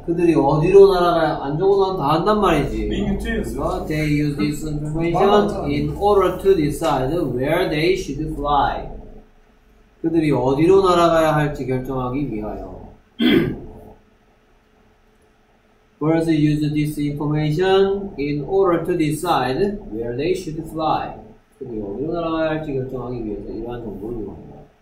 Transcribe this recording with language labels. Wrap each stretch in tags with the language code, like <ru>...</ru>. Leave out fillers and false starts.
<ko>그들이 어디로 날아가야 안 좋은 건 다 한단 말이지.</ko> <en>They use this information in order to decide where they should fly.</en> <ko>그들이 어디로 날아가야 할지 결정하기 위하여.</ko> <en>Birds use this information in order to decide where they should fly.</en> <ko>그들이 어디로 날아가야 할지 결정하기 위해서 이러한 정보를 이용합니다.</ko>